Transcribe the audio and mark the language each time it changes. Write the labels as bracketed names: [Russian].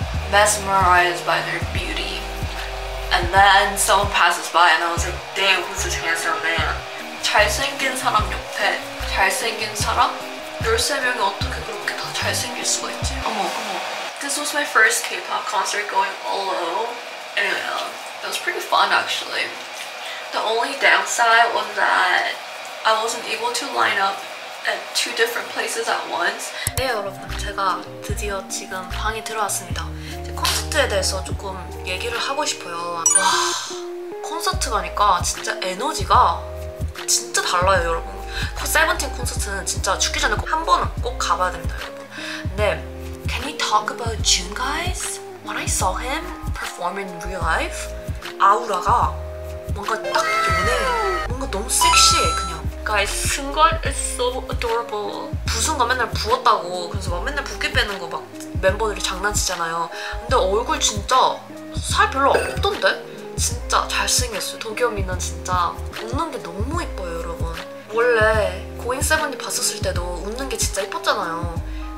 [English] Mesmerized by their beauty, and then someone passes by, and I was like, "Damn, who's this handsome man?" [Korean] 잘생긴 사람 옆에 잘생긴 사람 열세 명이 어떻게 그렇게 다 잘생길 수가 있지? 어머, 어머. [English] This was my first K-pop concert going alone, and it was pretty fun actually. The only downside was that I wasn't able to line up at two different places at once. [Korean] 네, 여러분, 제가 드디어 지금 방에 들어왔습니다. 콘서트에 대해서 조금 얘기를 하고 싶어요. 와, 콘서트 가니까 진짜 에너지가 진짜 달라요, 여러분. 세븐틴 콘서트는 진짜 죽기 전에 한 번은 꼭 가봐야 됩니다, 여러분. 근데 [English] Can we talk about June, guys? When I saw him perform in real life, [Korean] 아우라가 뭔가 딱 연해. 뭔가 너무 섹시해, 그냥. [English] Guys, 승관 is so adorable. [Korean] 부순가 맨날 부었다고, 그래서 막 맨날 붓기 빼는 거 막 멤버들이 장난치잖아요. 근데 얼굴 진짜 살 별로 없던데? 진짜 잘생겼어요. 도겸이는 진짜 웃는 게 너무 예뻐요, 여러분. 원래 고잉 세븐이 봤었을 때도 웃는 게 진짜 예뻤잖아요.